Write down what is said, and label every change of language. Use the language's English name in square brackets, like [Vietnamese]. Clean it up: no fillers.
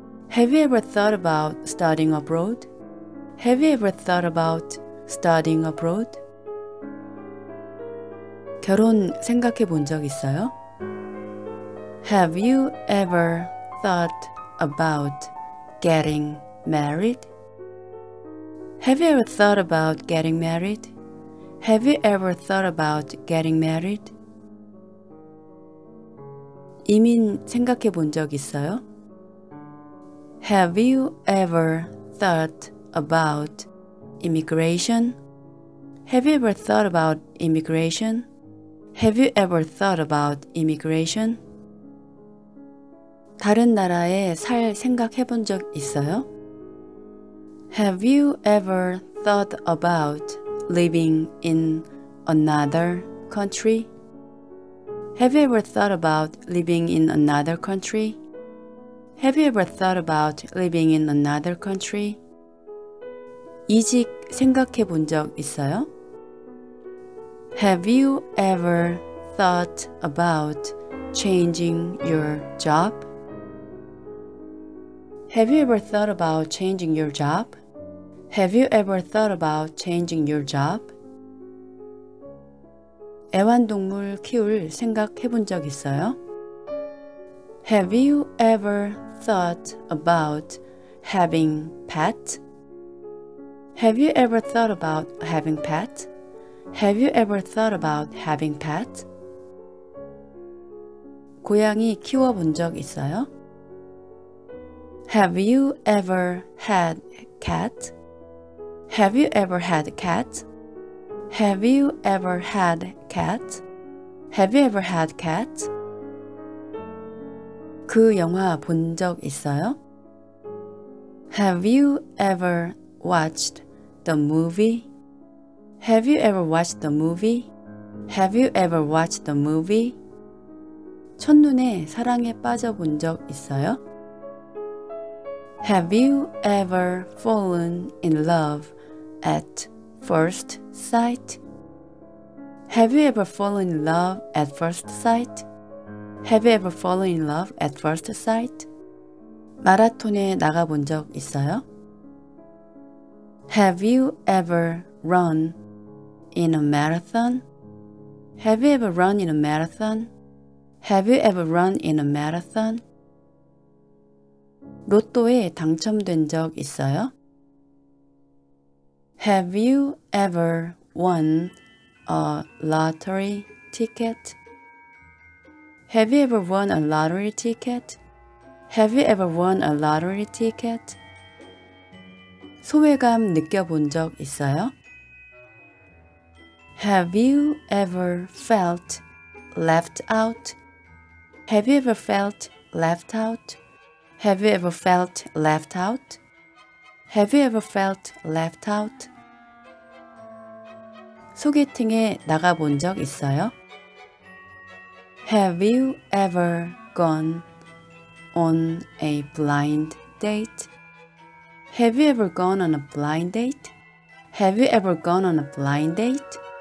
[English] Have you ever thought about studying abroad? Have you ever thought about studying abroad? [Korean] 결혼 생각해 본 적 있어요? [English] Have you ever thought about getting married? Have you ever thought about getting married? Have you ever thought about getting married? [Korean] 이민 생각해 본 적 있어요? [English] Have you ever thought about immigration? Have you ever thought about immigration? Have you ever thought about immigration? [Korean] 다른 나라에 살 생각해 본 적 있어요? [English] Have you ever thought about living in another country? Have you ever thought about living in another country? Have you ever thought about living in another country? [Korean] 이직 생각해 본 적 있어요? [English] Have you ever thought about changing your job? Have you ever thought about changing your job? Have you ever thought about changing your job? [Korean] 애완동물 키울 생각해 본 적 있어요? [English] Have you ever thought about having pet? Have you ever thought about having pet? Have you ever thought about having pet? [Korean] 고양이 키워 본 적 있어요? [English] Have you ever had a cat? Have you ever had a cat? Have you ever had a cat? Have you ever had a cat? [Korean] 그 영화 본 적 있어요? [English] Have you ever watched the movie? Have you ever watched the movie? Have you ever watched the movie? [Korean] 첫눈에 사랑에 빠져 본 적 있어요? [English] Have you ever fallen in love at first sight? Have you ever fallen in love at first sight? Have you ever fallen in love at first sight? [Korean] 마라톤에 나가 본 적 있어요? [English] Have you ever run in a marathon? Have you ever run in a marathon? Have you ever run in a marathon? [Korean] 로또에 당첨된 적 있어요? [English] Have you ever won a lottery ticket? Have you ever won a lottery ticket? Have you ever won a lottery ticket? [Korean] 소외감 느껴본 적 있어요? [English] Have you ever felt left out? Have you ever felt left out? Have you ever felt left out? Have you ever felt left out? [Korean] 소개팅에 나가 본 적 있어요? [English] Have you ever gone on a blind date? Have you ever gone on a blind date? Have you ever gone on a blind date?